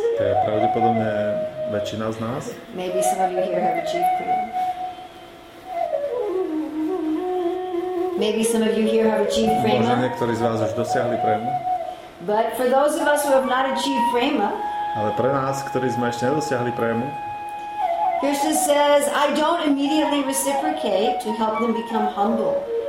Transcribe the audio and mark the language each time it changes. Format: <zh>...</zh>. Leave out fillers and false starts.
<sk>To je pravdepodobne väčšina z nás.</sk> <en>Maybe some of you here have achieved prema. Maybe some of you here have achieved prema.</en> <sk>Možno niektorí z vás už dosiahli prému.</sk> <en>But for those of us who have not achieved prema.</en> <sk>Ale pre nás, ktorí sme ešte nedosiahli prému.</sk> <en>Krishna says, I don't immediately reciprocate to help them become humble.</en>